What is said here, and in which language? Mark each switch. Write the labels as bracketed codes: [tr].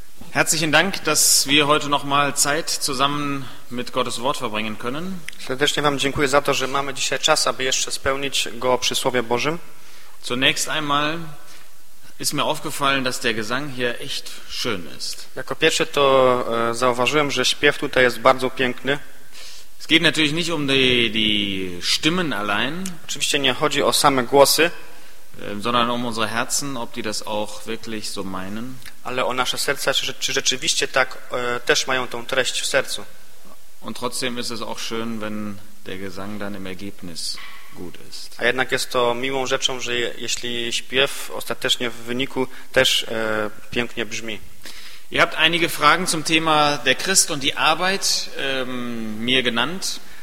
[de] Herzlichen Dank, dass wir heute noch mal Zeit zusammen mit Gottes Wort verbringen können. [pl] Serdecznie wam dziękuję za to, że mamy dzisiaj czas, aby jeszcze spełnić go przy Słowie Bożym. [de] Zunächst einmal ist mir aufgefallen, dass der Gesang hier echt schön ist. [pl] Jako pierwsze to zauważyłem, że śpiew tutaj jest bardzo piękny. [de] Es geht natürlich nicht um die Stimmen allein. [pl] Oczywiście nie chodzi o same głosy, [de] sondern um unsere Herzen, ob die das auch wirklich so meinen. [pl] Ale o nasze serca, czy rzeczywiście tak też mają tą treść w sercu. [de] Und trotzdem ist es auch schön, wenn der Gesang dann im Ergebnis gut ist. [pl] A jednak jest to miłą rzeczą, że jeśli śpiew ostatecznie w wyniku też pięknie brzmi. [de] Ihr habt einige Fragen zum Thema der Christ und die Arbeit mir genannt.